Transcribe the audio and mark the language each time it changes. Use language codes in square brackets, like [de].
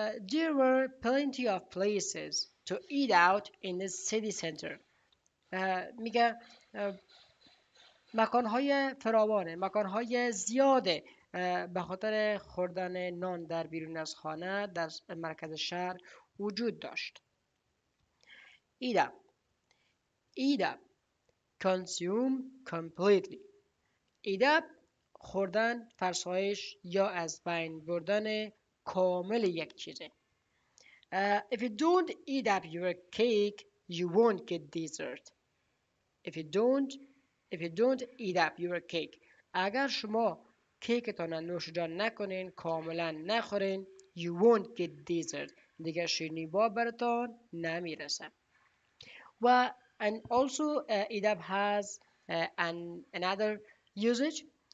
[en] There were plenty of places to eat out in the city center. [fa] میگه مکانهای فراوانه، مکانهای زیاده به خاطر خوردن نان در بیرون از خانه در مرکز شهر وجود داشت. [en] Eat up. Consume completely. Eat up. [fa] خوردن، فرسایش یا از بین بردن کامل یک چیزه. [en] If you don't eat up your cake, you won't get dessert. If you don't eat up your cake. [fa] اگر شما کیکتان را نوشجان نکنین، کاملا نخورین، [en] you won't get dessert. [fa] دیگه شیرینی با براتان نمیرسه. [en] و and also eat up has another usage.